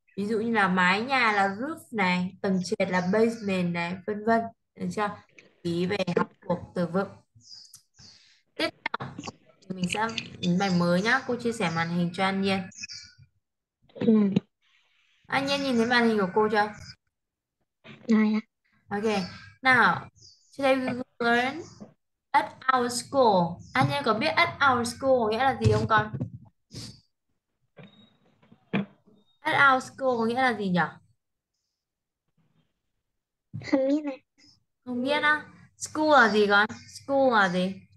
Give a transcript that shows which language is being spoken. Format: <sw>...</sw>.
<vi>Ví dụ như là mái nhà là roof này, tầng trệt là basement này, vân vân. Được chưa? Ý về học thuộc từ vựng. Tiếp theo, mình sẽ đến bài mới nhá. Cô chia sẻ màn hình cho anh Nhiên. Anh Nhiên nhìn thấy màn hình của cô chưa?</vi> <en>Ok,</en> <vi>nào,</vi> <en>today we learn at our school.</en> <vi>Anh em có biết</vi> <en>at our school</en> <vi>nghĩa là gì không con?</vi> <en>Our school</en> <vi>có nghĩa là gì nhỉ? Không biết này. Không biết á. School là gì con? School là gì?</vi>